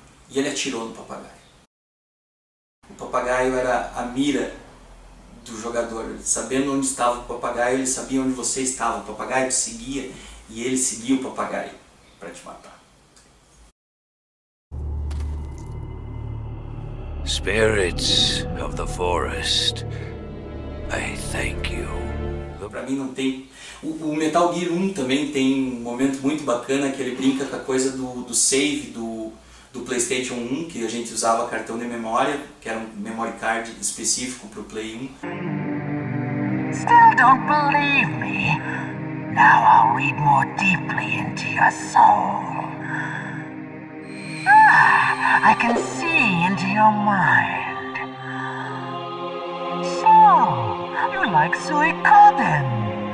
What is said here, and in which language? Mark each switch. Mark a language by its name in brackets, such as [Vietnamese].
[Portuguese] E ele atirou no papagaio. O papagaio era a mira do jogador. Sabendo onde estava o papagaio, ele sabia onde você estava. O papagaio te seguia e ele seguia o papagaio para te matar. [English] Spirits of the forest, I thank you. [Portuguese] Para mim não tem... O Metal Gear 1 também tem um momento muito bacana que ele brinca com a coisa do save do PlayStation 1, que a gente usava cartão de memória, que era um memory card específico para o Play 1. [English] Still don't believe me. Now I'll read more deeply into your soul. Ah, I can see into your mind. So, you like Suikoden?